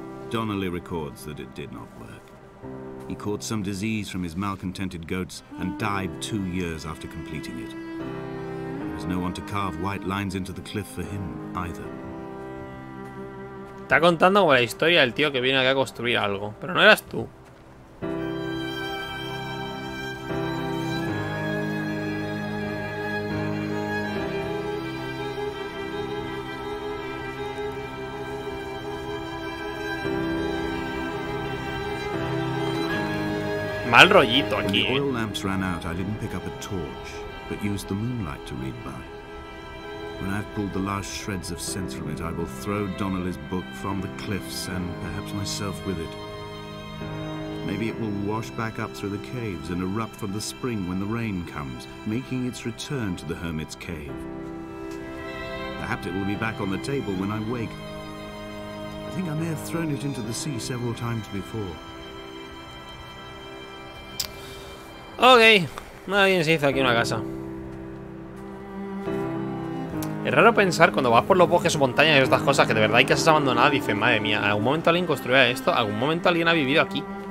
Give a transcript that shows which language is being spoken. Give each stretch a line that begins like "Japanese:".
English: Donnelly records that it did not work. He caught some disease from his malcontented goats and died 2 years after completing it. There was no one to carve white lines into the cliff for him either.
Spanish: Está contando la historia del tío que viene acá a construir algo, pero no eras tú. Mal rollito aquí.
English: When the oil lamps ran out, I didn't pick up a torch, but used the moonlight to read by. When I've pulled the last shreds of sense from it, I will throw Donnelly's book from the cliffs and perhaps myself with it. Maybe it will wash back up through the caves and erupt from the spring when the rain comes, making its return to the hermit's cave. Perhaps it will be back on the table when I wake. I think I may have thrown it into the sea several times before.
Spanish: Ok, nadie se hizo aquí una casa. Es raro pensar cuando vas por los bosques o montañas y estas cosas, que de verdad hay casas abandonadas. Dices, madre mía, ¿algún momento alguien construía esto? ¿Algún momento alguien ha vivido aquí?